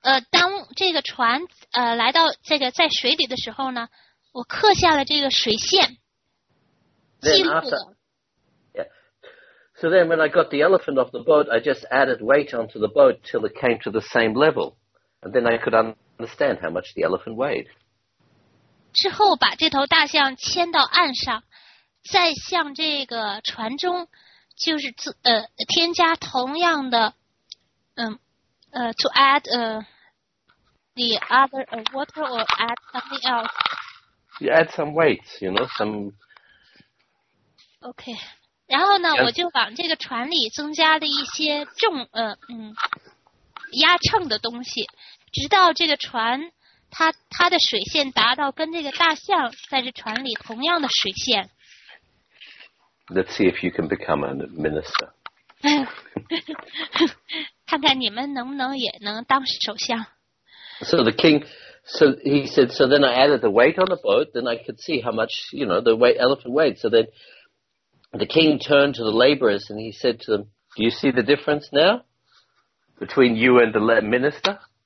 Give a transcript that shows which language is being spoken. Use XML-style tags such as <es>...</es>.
<zh>当这个船来到这个在水里的时候呢，我刻下了这个水线，记录了。</zh> <en>So then when I got the elephant off the boat, I just added weight onto the boat till it came to the same level. And then I could understand how much the elephant weighed.</en> <zh>之后把这头大象牵到岸上，再向这个船中就是添加同样的</zh> <en>to add the other a water or add something else? You add some weights, you know, some...</en> <zh>Okay. 然后呢、yes. 我就往这个船里增加了一些重压秤的东西，直到这个船它的水线达到跟这个大象在这船里同样的水线。</zh> <en>Let's see if you can become a minister.</en> <zh>看看你们能不能也能当首相。</zh> <en>So the king, so he said, so then I added the weight on the boat, then I could see how much, you know, the weight, elephant weight. So then the king turned to the laborers and he said to them, do you see the difference now between you and the minister?</en>